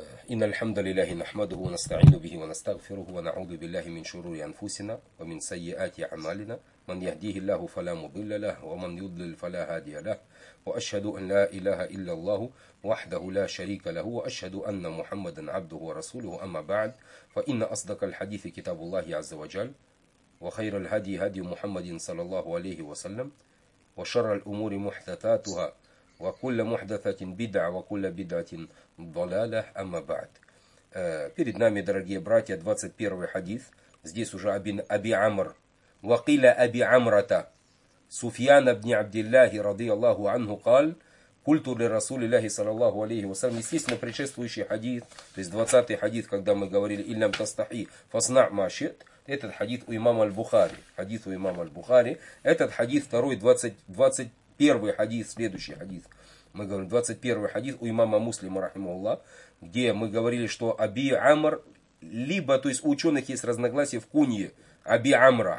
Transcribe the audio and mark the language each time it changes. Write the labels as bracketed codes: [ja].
[ar] إن الحمد لله نحمده ونستعين به ونستغفره ونعوذ بالله من شرور أنفسنا ومن سيئات أعمالنا، من يهديه الله فلا مضل له ومن يضلل فلا هادي له، وأشهد أن لا إله إلا الله وحده لا شريك له وأشهد أن محمدا عبده ورسوله. أما بعد، فإن أصدق الحديث كتاب الله عز وجل، وخير الهدي هدي محمد صلى الله عليه وسلم، وشر الأمور محدثاتها وكل محدثة بدعة وكل بدعة ضلاله. أما بعد، [ru] перед нами, дорогие братья, 21 хадис. Здесь уже Аби Амр. [ar] وقيل أبي عمرة سفيان بن عبد الله رضي الله عنه قال قلت لرسول الله صلى الله عليه وسلم. [ru] Естественно, предшествующий хадис, то есть 20-й хадис, когда мы говорили [ar] إِلَّمْ تَسْتَحِي فَصْنَعْ مَا شِئْتْ, [ru] этот хадис у имама Аль-Бухари. Хадис у имама Аль-Бухари. Этот хадис второй, 21-й хадис, следующий хадис. Мы говорим 21-й хадис у имама Муслима, рахимахуллах, где мы говорили, что Аби Амр, либо, то есть у ученых есть разногласия в кунье Аби Амра.